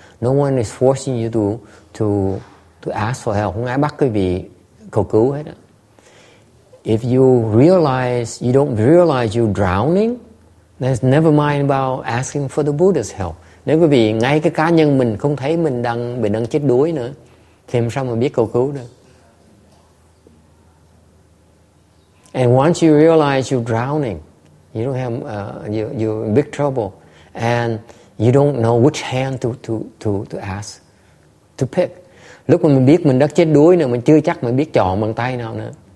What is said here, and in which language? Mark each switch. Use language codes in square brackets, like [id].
[en] No one is forcing you to ask for help. [vi] Không ai bắt quý vị cầu cứu hết đó. [en] If you realize, you don't realize you're drowning, then never mind about asking for the Buddha's help. [vi] Nếu quý vị ngay cái cá nhân mình không thấy mình đang chết đuối nữa, thì làm sao mà biết cầu cứu được? [en] And once you realize you're drowning, you don't have you're in big trouble, and you don't know which hand to ask to pick. [vi] Lúc mà mình biết mình đã chết đuối nữa, mình chưa chắc mình biết chọn bằng tay nào nữa.